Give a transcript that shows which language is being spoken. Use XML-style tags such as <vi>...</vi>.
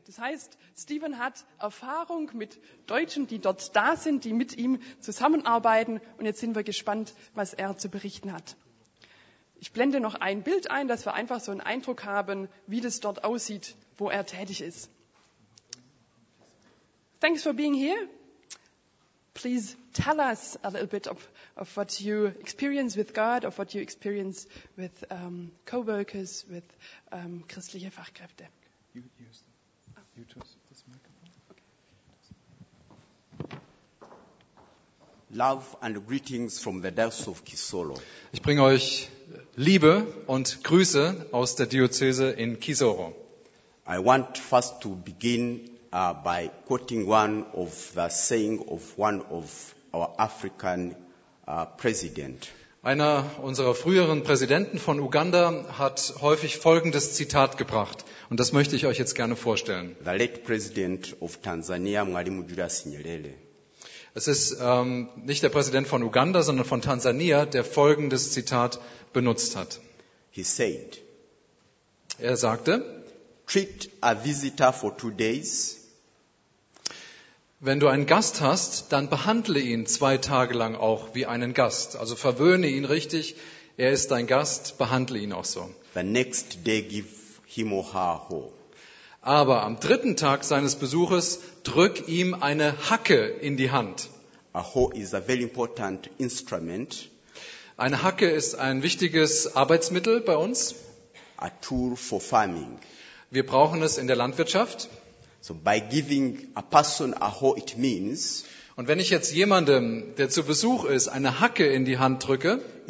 <de>Das heißt, Stephen hat Erfahrung mit Deutschen, die dort da sind, die mit ihm zusammenarbeiten und jetzt sind wir gespannt, was er zu berichten hat. Ich blende noch ein Bild ein, dass wir einfach so einen Eindruck haben, wie das dort aussieht, wo er tätig ist.</de> <en>Thanks for being here. Please tell us a little bit of what you experience with God, of what you experience with co-workers, with</en> <de>christliche Fachkräfte.</de> <en>You use the, you trust this microphone. Love and greetings from the diocese of Kisoro.</en> <de>Ich bringe euch Liebe und Grüße aus der Diözese in Kisoro.</de> <en>I want first to begin by quoting one of the saying of one of our African president.</en> <de>Einer unserer früheren Präsidenten von Uganda hat häufig folgendes Zitat gebracht und das möchte ich euch jetzt gerne vorstellen.</de> <en>The late president of Tanzania, Mwalimu Julius Nyerere.</en> <de>Es ist nicht der Präsident von Uganda, sondern von Tansania, der folgendes Zitat benutzt hat.</de> <en>He said,</en> <de>er sagte,</de> <en>treat a visitor for 2 days.</en> <de>Wenn du einen Gast hast, dann behandle ihn 2 Tage lang auch wie einen Gast. Also verwöhne ihn richtig, er ist dein Gast, behandle ihn auch so.</de> <en>The next day give him or her hope.</en> <de>Aber am 3. Tag seines Besuches drück ihm eine Hacke in die Hand.</de> <en>A hoe is a very important instrument.</en> <de>Eine Hacke ist ein wichtiges Arbeitsmittel bei uns.</de> <en>A tool for farming.</en> <de>Wir brauchen es in der Landwirtschaft.</de> <en>So by giving a person a hoe, it means,</en> <de>und wenn ich jetzt jemandem, der zu Besuch ist, eine Hacke in die Hand drücke,</de>